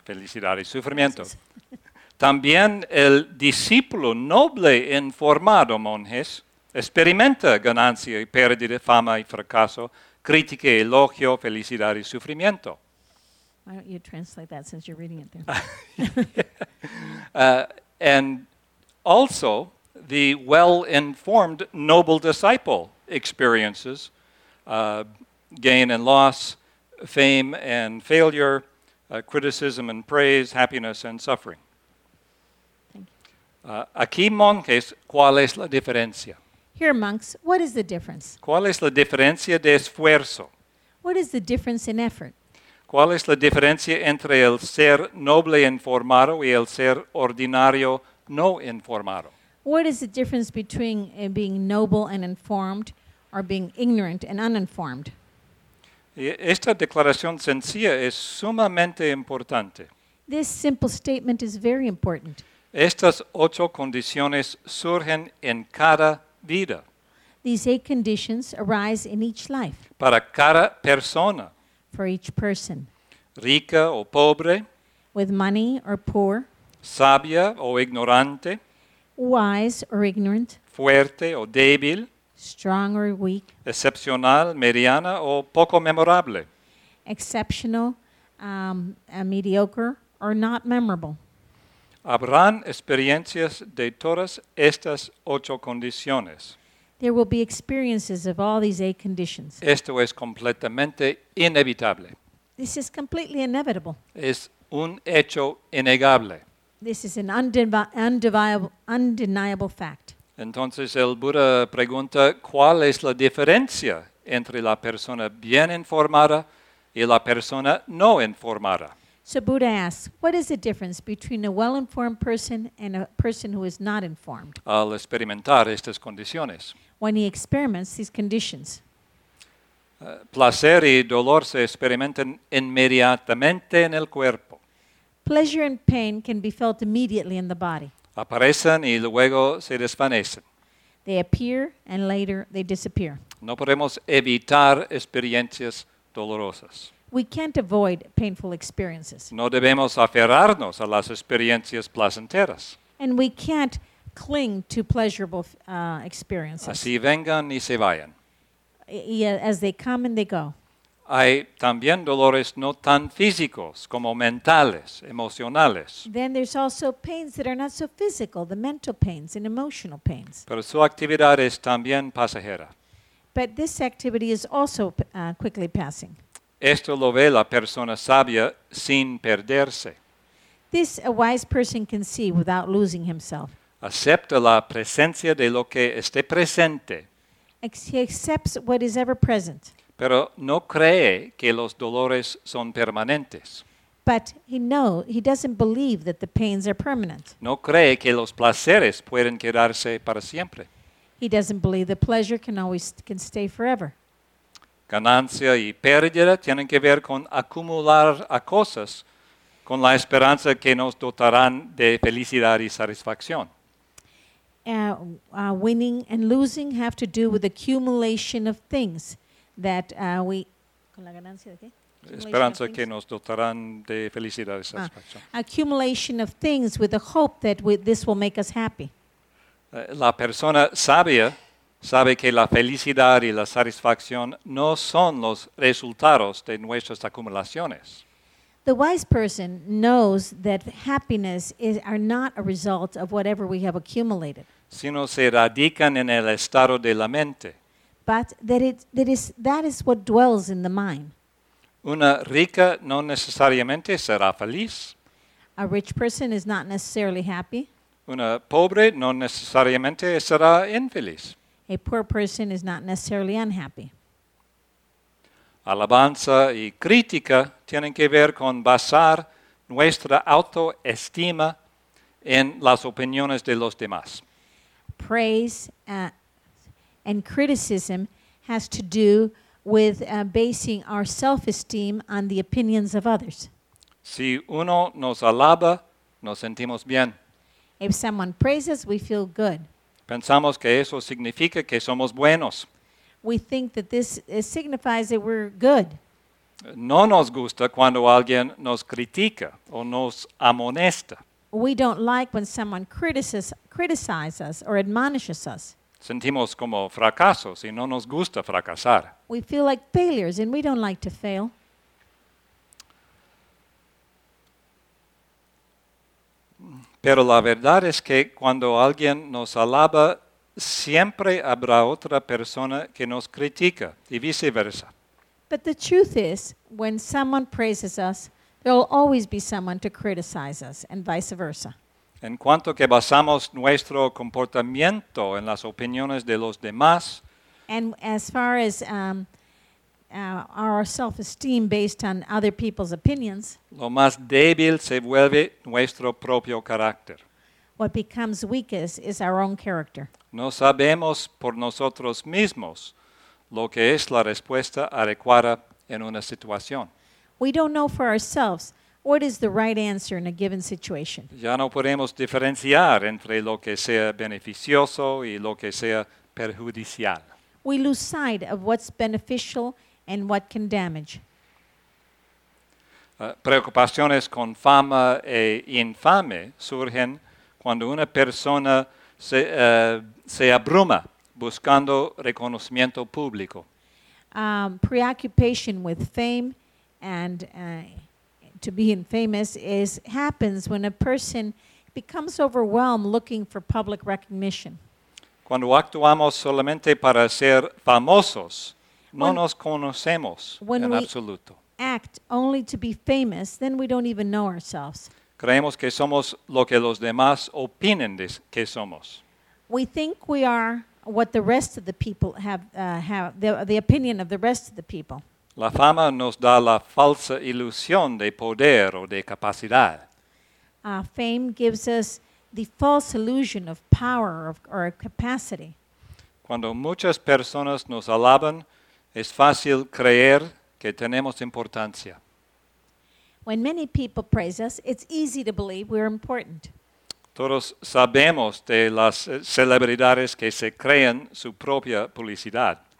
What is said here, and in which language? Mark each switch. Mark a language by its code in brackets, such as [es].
[es] Felicidad y sufrimiento. También el discípulo noble informado, monjes, experimenta ganancia y pérdida, fama y fracaso, crítica y elogio, felicidad y sufrimiento. [en] Why don't you translate that since you're reading it there? And also, the well-informed noble disciple experiences gain and loss, fame and failure, criticism and praise, happiness and suffering. [es] Aquí, monjes, ¿cuál es la diferencia? [en] Here, monks, what is the difference? [es] ¿Cuál es la diferencia de esfuerzo? [en] What is the difference in effort? [es] ¿Cuál es la diferencia entre el ser noble informado y el ser ordinario no informado? [en] What is the difference between being noble and informed or being ignorant and uninformed? [es] Y esta declaración sencilla es sumamente importante. [en] This simple statement is very important. [es] Estas ocho condiciones surgen en cada vida. [en] These eight conditions arise in each life. [es] Para cada persona. [en] For each person. [es] Rica o pobre. [en] With money or poor. [es] Sabia o ignorante. [en] Wise or ignorant. [es] Fuerte o débil. [en] Strong or weak. [es] Excepcional, mediana o poco memorable. [en] Exceptional, mediocre or not memorable. [es] Habrán experiencias de todas estas ocho condiciones. [en] There will be experiences of all these eight conditions. [es] Esto es completamente inevitable. [en] This is completely inevitable. [es] Es un hecho innegable. [en] This is an undeniable fact. [es] Entonces el Buda pregunta, ¿cuál es la diferencia entre la persona bien informada y la persona no informada? [en] So Buddha asks, what is the difference between a well-informed person and a person who is not informed? [es] Al experimentar estas condiciones. [en] When he experiments these conditions. [es] Placer y dolor se experimentan inmediatamente en el cuerpo. [en] Pleasure and pain can be felt immediately in the body. [es] Aparecen y luego se desvanecen. [en] They appear and later they disappear. [es] No podemos evitar experiencias dolorosas. [en] We can't avoid painful experiences. [es] No debemos aferrarnos a las experiencias placenteras. [en] And we can't cling to pleasurable experiences. [es] Así vengan y se vayan. [en] As they come and they go. [es] hay también dolores no tan físicos como mentales, emocionales. [en] Then there's also pains that are not so physical, the mental pains and emotional pains. [es] Pero su actividad es también pasajera. [en] But this activity is also quickly passing. [es] Esto lo ve la persona sabia sin perderse. [en] This a wise person can see without losing himself. [es] Acepta la presencia de lo que esté presente. [en] He accepts what is ever present. [es] Pero no cree que los dolores son permanentes. [en] But he doesn't believe that the pains are permanent. [es] No cree que los placeres pueden quedarse para siempre. [en] He doesn't believe the pleasure can stay forever. [es] Ganancia y pérdida tienen que ver con acumular a cosas con la esperanza que nos dotarán de felicidad y satisfacción. [en] Winning and losing have to do with accumulation of things that we... [es] ¿Con la ganancia de qué? Esperanza que nos dotarán de felicidad y satisfacción. [en] Accumulation of things with the hope that this will make us happy. [es] La persona sabia sabe que la felicidad y la satisfacción no son los resultados de nuestras acumulaciones. [en] The wise person knows that happiness are not a result of whatever we have accumulated. [es] Sino se radican en el estado de la mente. [en] But that is what dwells in the mind. [es] Una rica no necesariamente será feliz. [en] A rich person is not necessarily happy. [es] Una pobre no necesariamente será infeliz. [en] A poor person is not necessarily unhappy. [es] Alabanza y crítica tienen que ver con basar nuestra autoestima en las opiniones de los demás. [en] Praise and criticism has to do with basing our self-esteem on the opinions of others. [es] Si uno nos alaba, nos sentimos bien. [en] If someone praises, we feel good. [es] Pensamos que eso significa que somos buenos. [en] We think that this signifies that we're good. [es] No nos gusta cuando alguien nos critica o nos amonesta. [en] We don't like when someone criticizes us or admonishes us. [es] Sentimos como fracasos y no nos gusta fracasar. [en] We feel like failures and we don't like to fail. [es] Pero la verdad es que cuando alguien nos alaba, siempre habrá otra persona que nos critica y viceversa. [en] But the truth is, when someone praises us, there will always be someone to criticize us and vice versa. [es] En cuanto que basamos nuestro comportamiento en las opiniones de los demás, [en] and as far as our self-esteem based on other people's opinions, [es] lo más débil se vuelve nuestro propio carácter. [en] What becomes weakest is our own character. [es] No sabemos por nosotros mismos lo que es la respuesta adecuada en una situación. [en] We don't know for ourselves what is the right answer in a given situation. [es] Ya no podemos diferenciar entre lo que sea beneficioso y lo que sea perjudicial. [en] We lose sight of what's beneficial and what can damage. [es] Preocupaciones con fama e infame surgen cuando una persona se abruma buscando reconocimiento público. [en] Preoccupation with fame and to be infamous happens when a person becomes overwhelmed looking for public recognition. [es] Cuando actuamos solamente para ser famosos, no nos conocemos en absoluto. [en] When we act only to be famous, then we don't even know ourselves. [es] Creemos que somos lo que los demás opinen de que somos. [en] We think we are what the rest of the people have the opinion of the rest of the people. [es] La fama nos da la falsa ilusión de poder o de capacidad. [en] Fame gives us the false illusion of power or capacity. [es] Cuando muchas personas nos alaban, es fácil creer que tenemos importancia. [en] When many people praise us, it's easy to believe we're important. [es] Todos sabemos de las celebridades que se creen su propia publicidad.